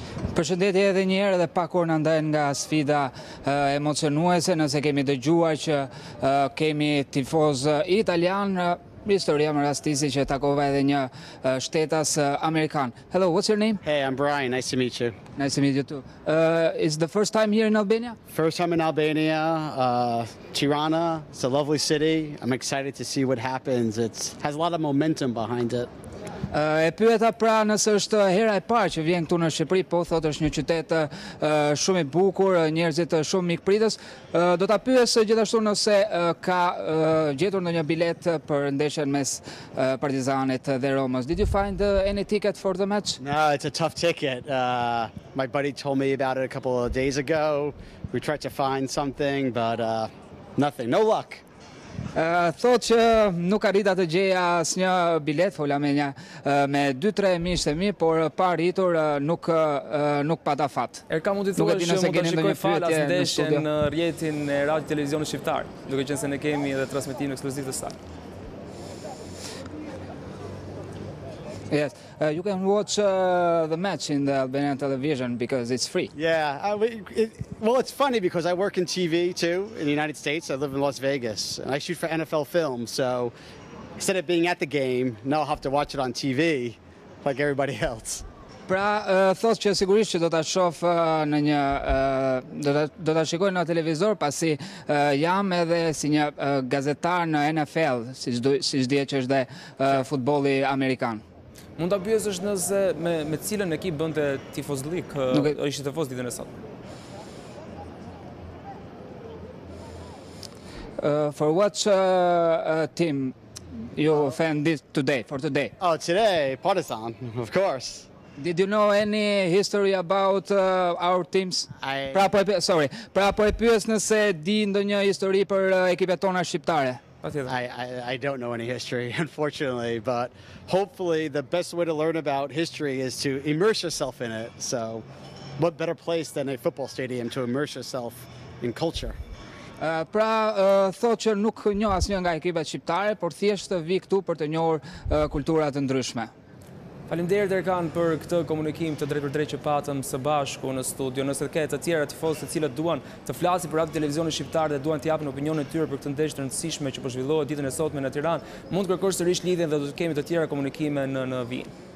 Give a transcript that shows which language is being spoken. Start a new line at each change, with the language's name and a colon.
Albanian: Përshëndetje edhe një herë, dhe pa kur na ndajnë nga sfida emocionuese, nëse kemi dëgjuar që kemi tifoz italian, historia më rastisi që takova edhe një shtetas amerikan.
English: Hello, what's your name? Hey, I'm Brian. Nice to meet you. Nice to meet you too. Is the first time here in Albania? First time in Albania. Tirana, it's a lovely city. I'm excited to see what happens. It has a lot of momentum behind it.
Albanian: E pyeta pra nëse është hera e parë që vjen këtu në Shqipëri, po thotë është një qytet shumë i bukur, njerëzit shumë mikpritës. Do ta pyes gjithashtu nëse ka gjetur ndonjë bilet për ndeshjen mes Partizanit dhe Romës.
English: Did you find any ticket for the match? No, it's a tough ticket. My buddy told me about it a couple of days ago. We tried to find something, but nothing. No luck.
Albanian: Thot që nuk arrita të gjeja asnjë bilet, fola me një me 2-3 miqtë e mi, por pa arritur nuk pata fat. Erkan, mund të thuash që mund të shikoj falas ndeshjen në rrjetin e Radio Televizionit Shqiptar, duke qenë se ne kemi edhe transmetimin ekskluziv të saj.
English: Yes, you can watch the match in the Albanian television because it's free. Yeah, it's funny because I work in TV too in the United States. I live in Las Vegas and I shoot for NFL films. So instead of being at the game, now I'll have to watch it on TV like everybody else.
Albanian: Pra, thos që sigurisht që do ta shoh në një do ta shikoj në televizor, pasi jam edhe si një gazetar në NFL, siç dihet që është dhe futbolli amerikan. Mund të pyes është nëse me cilën ekip bënte tifozlik, ishte tifoz ditën e sotme.
English: For what team you fan this today, for today? Oh, today, Partizan, of course. Did you know any history about our teams?
Albanian: Pra po e pyes nëse di ndonjë histori për ekipet tona shqiptare.
English: I don't know any history, unfortunately, but hopefully the best way to learn about history is to immerse yourself in it. So what better place than a football stadium to immerse yourself in culture?
Albanian: Pra, thot që nuk njoh asnjë nga ekipet shqiptare, por thjesht vi këtu për të njohur kultura të ndryshme. Faleminderit Erkan për këtë komunikim të drejtë për drejtë që patëm së bashku në studio. Nëse ke të tjera tifozë të cilët duan të flasin për Radio Televizionin Shqiptar dhe duan të japin opinionin e tyre për këtë ndeshje të rëndësishme që po zhvillohet ditën e sotme në Tiranë, mund të kërkosh sërish lidhjen dhe do të kemi të tjera komunikime në vijim.